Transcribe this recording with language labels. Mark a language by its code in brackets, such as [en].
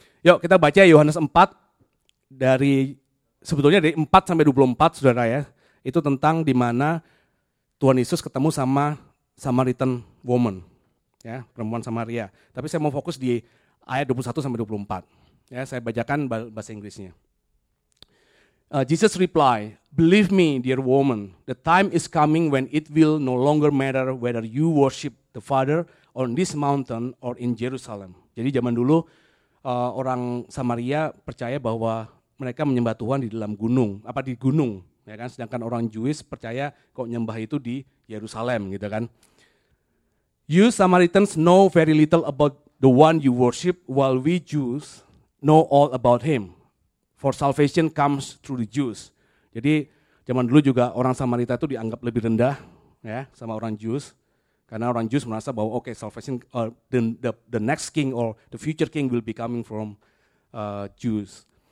[id] Yuk kita baca Yohanes 4, dari 4 sampai 24, saudara ya, itu tentang di mana Tuhan Yesus ketemu sama [en] Samaritan woman, [id] ya, perempuan Samaria. Tapi saya mau fokus di ayat 21 sampai 24. Ya, saya bacakan bahasa Inggrisnya. [en] Jesus replied, "Believe me, dear woman, the time is coming when it will no longer matter whether you worship the Father on this mountain or in Jerusalem." [id] Jadi zaman dulu orang Samaria percaya bahwa mereka menyembah Tuhan di dalam gunung, apa di gunung, ya kan? Sedangkan orang Jewish percaya kok nyembah itu di Yerusalem, gitu kan? [en] "You Samaritans know very little about the one you worship, while we Jews know all about him, for salvation comes through the Jews." [id] Jadi zaman dulu juga orang Samaria itu dianggap lebih rendah ya sama orang Jews, karena orang Jews merasa bahwa [en] okay, salvation or the next king or the future king will be coming from Jews.